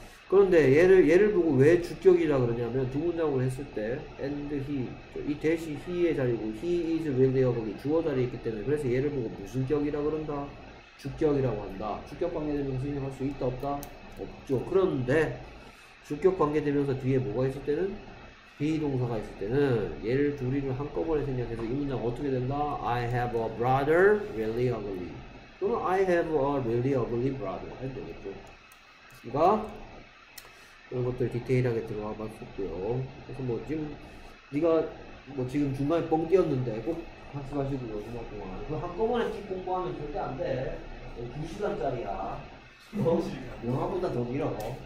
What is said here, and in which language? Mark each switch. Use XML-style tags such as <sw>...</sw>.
<ko>그런데 얘를 보고 왜 주격이라 그러냐면 두 문장으로 했을 때</ko> <en>and he,</en> <ko>이 대시 he의 자리고</ko> <en>he is really</en> <ko>거기 주어 자리에 있기 때문에 그래서 얘를 보고 무슨 격이라 그런다? 주격이라고 한다. 주격 관계대명사 수행할 수 있다 없다? 없죠. 그런데 주격 관계대명사 뒤에 뭐가 있을 때는? 비동사가 있을 때는 얘를 둘이를 한꺼번에 생략해서 이 문장 어떻게 된다?</ko> <en>I have a brother really ugly 또는 I have a really ugly brother 해도 되겠죠.</en> <ko>그러니까 이런 것들 디테일하게 들어가 봤었고요. 그래서 뭐 지금 네가 뭐 지금 중간에 뻥 뛰었는데 꼭 같이 가시고요. 주말 동안 그 한꺼번에 끼 공부하면 절대 안 돼. 2시간짜리야. 영화보다 더 길어.</ko>